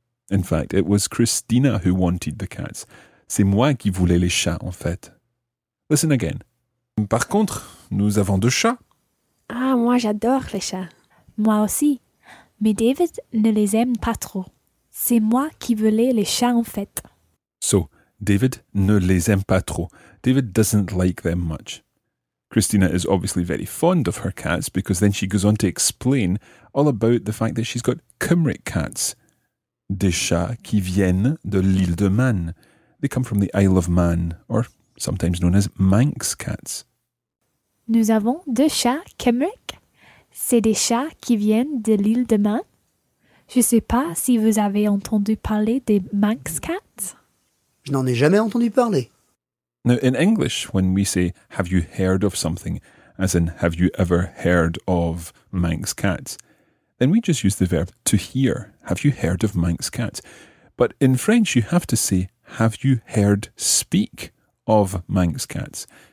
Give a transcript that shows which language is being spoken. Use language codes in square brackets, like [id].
[en] In fact, it was Christina who wanted the cats. [fr] C'est moi qui voulais les chats, en fait. [en] Listen again. [fr] Par contre, nous avons deux chats. Ah, moi j'adore les chats. Moi aussi. Mais David ne les aime pas trop. C'est moi qui voulais les chats, en fait. [en] So, [fr] David ne les aime pas trop. [en] David doesn't like them much. Christina is obviously very fond of her cats because then she goes on to explain all about the fact that she's got Cymric cats. [fr] Des chats qui viennent de l'île de Man. [en] They come from the Isle of Man, or sometimes known as Manx cats. [fr] Nous avons deux chats Cymric. C'est des chats qui viennent de l'île de Man. Je ne sais pas si vous avez entendu parler des Manx cats. Je n'en ai jamais entendu parler. [en] Now, in English, when we say, have you heard of something, as in, have you ever heard of Manx cats, then we just use the verb to hear, have you heard of Manx cats? But in French, you have to say, have you heard speak of Manx cats?